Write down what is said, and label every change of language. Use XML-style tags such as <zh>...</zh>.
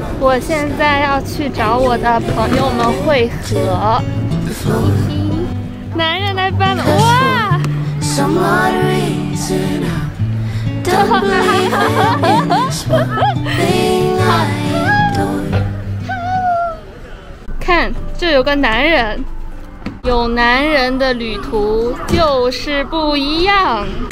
<zh>我现在要去找我的朋友们会合。男人来搬了，哇！</zh> <en>Some odd reason I don't believe in this one thing I adore.</en> <zh>看，就有个男人。有男人的旅途就是不一样。</zh>